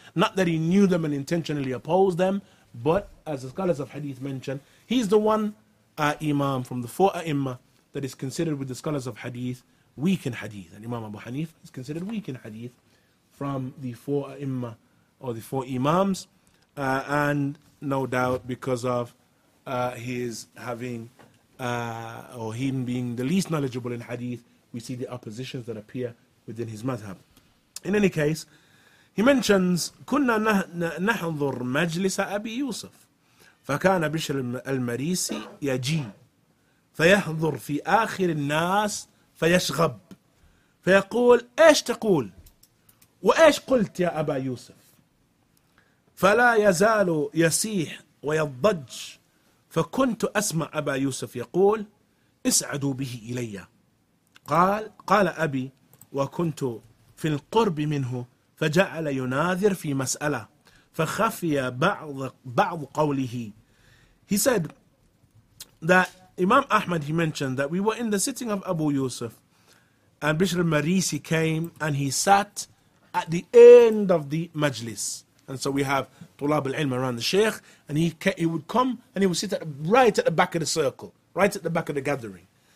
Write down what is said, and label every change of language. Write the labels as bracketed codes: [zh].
[en] Not that he knew them and intentionally opposed them, but as the scholars of hadith mention, he's the one imam from the four a'imma that is considered with the scholars of hadith weak in hadith, and Imam Abu Hanifa is considered weak in hadith from the four imma or the four imams, and no doubt because of his having or him being the least knowledgeable in hadith, we see the oppositions that appear within his madhab. In any case, he mentions [ar] kunna nahdhur majlisa Abi Yusuf fakana Bishr al-Marisi yaji fayahdhur fi akhir an-nas فيشغب فيقول ايش تقول وايش قلت يا ابا يوسف فلا يزال يسيح ويضج فكنت اسمع ابا يوسف يقول اسعدوا به الي قال ابي وكنت في القرب منه فجعل يناذر في مساله فخفي بعض قوله. [en] He said that Imam Ahmad, he mentioned that we were in the sitting of Abu Yusuf, and Bishr al-Marisi came and he sat at the end of the majlis. And so we have Tulab al-Ilm around the Sheikh, and he would come and he would sit right at the back of the circle, right at the back of the gathering.